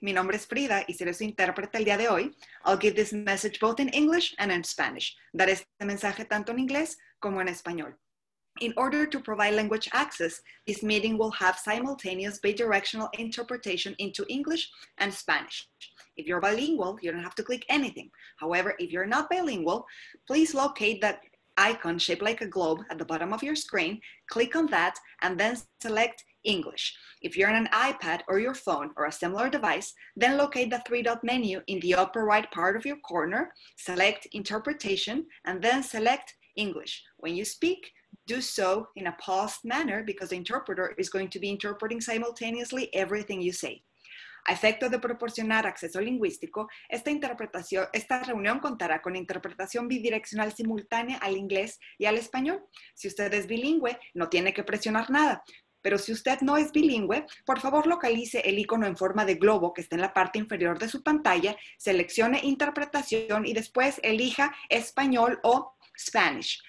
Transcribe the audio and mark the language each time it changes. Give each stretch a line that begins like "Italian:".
Spanish: Mi nombre es Frida y seré su intérprete el día de hoy.
English: I'll give this message both in English and in Spanish.
Spanish: Daré este mensaje tanto en inglés como en español.
English: In order to provide language access, this meeting will have simultaneous bidirectional interpretation into English and Spanish. If you're bilingual, you don't have to click anything. However, if you're not bilingual, please locate that icon shaped like a globe at the bottom of your screen, click on that, and then select English. If you're on an iPad or your phone or a similar device, then locate the three-dot menu in the upper right part of your corner, select Interpretation, and then select English. When you speak, do so in a paused manner because the interpreter is going to be interpreting simultaneously everything you say.
Spanish: A efecto de proporcionar acceso lingüístico, esta reunión contará con interpretación bidireccional simultánea al inglés y al español. Si usted es bilingüe, no tiene que presionar nada. Pero si usted no es bilingüe, por favor localice el icono en forma de globo que está en la parte inferior de su pantalla, seleccione interpretación y después elija español o Spanish.